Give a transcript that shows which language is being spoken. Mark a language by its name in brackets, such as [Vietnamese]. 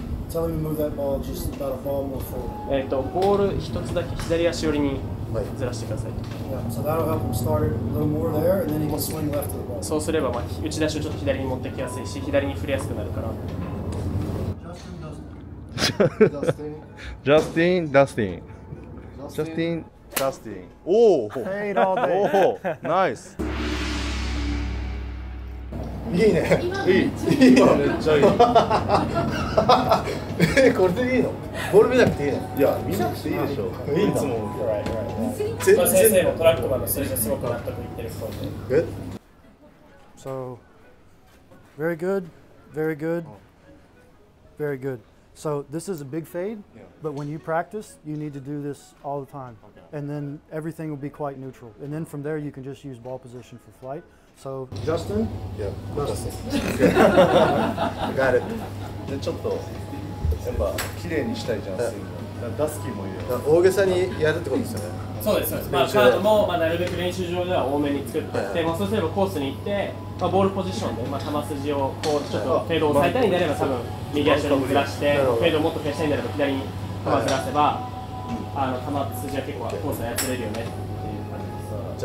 [English] Tell me move that ball just about a ball more forward. [Japanese] ボール一つだけ左足寄りに。ずらしてください。 [English] Yeah, so that'll help him start a little more there, and then he can swing left to the ball. [Japanese] そうすれば、まあ、打ち出しをちょっと左に持ってきやすいし、左に振りやすくなるから。 [English] Justin Dustin. Justin Dustin. Justin Dustin. Oh! Hey, nice! [Japanese] いいね。いい。今めっちゃいい。これでいいの？ボール見なくていいの？いや、見なくていいでしょ。いつも。先生のトラックマンの数字がすごく納得いってるそうで。 [English] Good. So, very good, very good, very good. So this is a big fade, yeah. But when you practice, you need to do this all the time. Okay. And then everything will be quite neutral. And then from there, you can just use ball position for flight. So Justin? Yeah, Justin. Okay. I got it. Then, [Japanese] ちょっと、やっぱ綺麗にしたいじゃん、スイング。ダスキーも言うよ。大げさにやるってことですよね。そうです、そうです。まあ、カードも、まあ、なるべく練習場では多めに作って、はいはい、まあ、そうすればコースに行って、まあ、ボールポジションで、まあ、球筋をこう、ちょっとフェードを抑えたいんであれば、多分、右足をずらして、フェードをもっと消したいんであれば、左に球ずらせば、はい、あの、球筋は結構コースはやってれるよね、っていう感じです。